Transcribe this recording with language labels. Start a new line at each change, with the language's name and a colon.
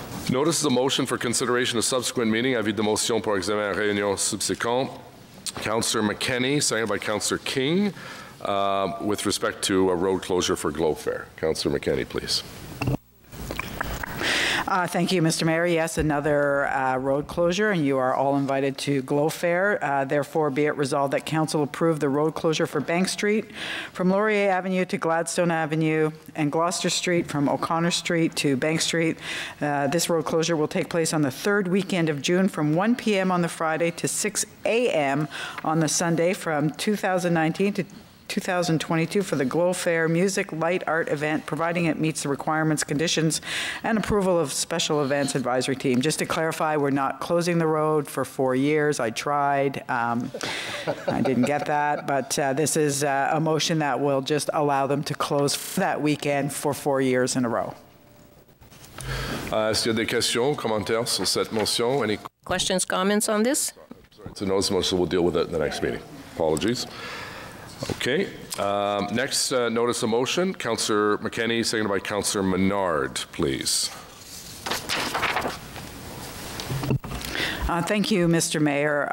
English: Notice the motion for consideration of subsequent meeting.
French: Avis de motion pour examen en réunion subséquente.
English: Councillor McKenney, seconded by Councillor King, with respect to a road closure for Globe Fair. Councillor McKenney, please. Thank you, Mr. Mayor. Yes, another road closure, and you are all invited to Glow Fair. Therefore, be it resolved that Council approve the road closure for Bank Street from Laurier Avenue to Gladstone Avenue and Gloucester Street from O'Connor Street to Bank Street. This road closure will take place on the third weekend of June from 1 p.m. on the Friday to 6 a.m. on the Sunday from 2019 to 2022 for the Glow Fair Music Light Art event, providing it meets the requirements, conditions, and approval of Special Events Advisory Team. Just to clarify, we're not closing the road for 4 years. I tried. I didn't get that. But this is a motion that will just allow them to close that weekend for 4 years in a row.
French: Est-ce qu'il y a des questions, commentaires sur cette motion?
English: Any questions, comments on this? It's a notice motion. We'll deal with it in the next meeting. Apologies. Okay. Next notice of motion, Councillor McKenney, seconded by Councillor Menard, please. Thank you, Mr. Mayor.